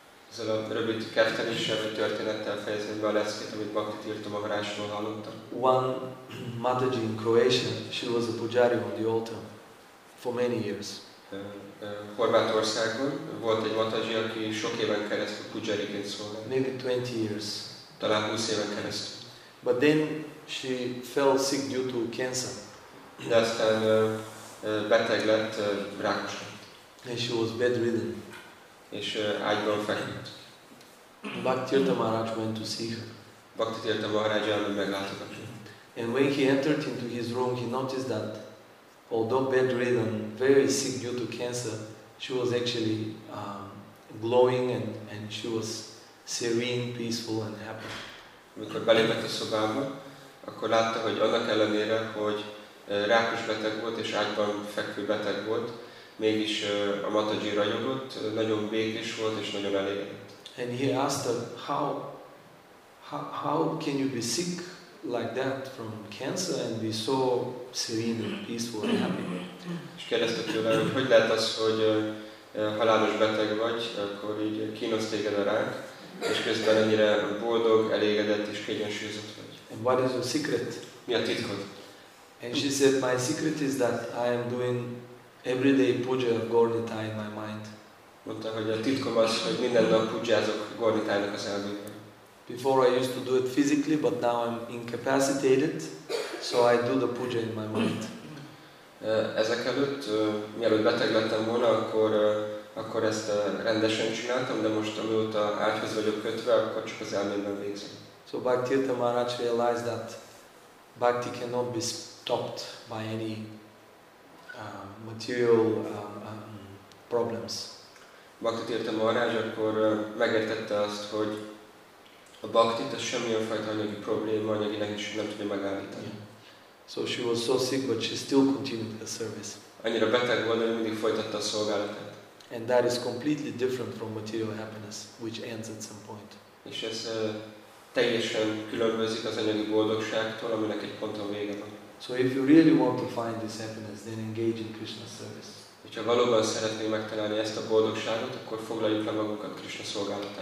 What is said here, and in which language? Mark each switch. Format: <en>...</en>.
<hu>Ezzel a rövid keftenéssel, vagy történettel fejezem be a leckét, amit Bhakti Tirtha Maharajról hallottam.</hu> <en>One Mataji in Croatia, she was a pujari on the altar for many years.</en> <hu>Horvátországban volt egy Mataji, aki sok éven keresztül pujariként szolgált.</hu> <en>Maybe 20 years.</en> <hu>Talán 20 éven keresztül.</hu> <en>But then she fell sick due to cancer.</en> <hu>De aztán beteg lett rákosra.</hu> <en>And she was bedridden.</en> <hu>És ágyban feküdt.</hu> <en>Bhakti Tamaraj went to see her.</en> <hu>Bhakti Tamaraj elment meglátogatja.</hu> <en>And when he entered into his room, he noticed that although bedridden, very sick due to cancer, she was actually glowing and she was serene, peaceful and happy.</en> <hu>Amikor belépett a szobába, akkor látta, hogy annak ellenére, hogy rákos beteg volt és ágyban fekvő beteg volt, mégis a Mataji ragyogott, nagyon békés volt és nagyon elégedett.</hu> <en>And he asked her, how can you be sick like that from cancer and be so serene and peaceful and happy?</en> <hu>És kérdezte tőle, hogy lehet az, hogy halálos beteg vagy, akkor így kínos téged a rák, és közben ennyire boldog, elégedett és kiegyensúlyozott vagy.</hu> <en>And what is your secret?</en> <hu>Mi a titkod?</hu> <en>And she said, my secret is that I am doing everyday puja of Gornitai in my mind.</en> <hu>Mondta, hogy a titkom az, hogy minden nap pujázok Gornitainak az elmében.</hu> <en>Before I used to do it physically, but now I'm incapacitated, so I do the puja in my mind.</en> <hu>Ezek előtt, mielőtt beteg lettem volna, akkor ezt rendesen csináltam, de most amióta ágyhoz vagyok kötve, akkor csak az elmémben végzem.</hu> <en>So Bhaktirtha Maharaj realized that bhakti cannot be stopped by any material problems.</en> <hu>Bhaktirtha Maharaj akkor megértette azt, hogy a bhakti az semmilyen fajta anyagi probléma, anyagi nehézség nem tudja megállítani.</hu> <en>Yeah. So she was so sick, but she still continued her service.</en> <hu>Annyira beteg volt, hogy mindig folytatta a szolgálatát.</hu> <en>And that is completely different from material happiness, which ends at some point.</en> <hu>És ez teljesen különbözik az anyagi boldogságtól, aminek egy ponton vége van.</hu> <en>So if you really want to find this happiness, then engage in Krishna service.</en> <hu>És ha valóban szeretnénk megtalálni ezt a boldogságot, akkor foglaljuk le magunkat Krishna szolgálatába.</hu>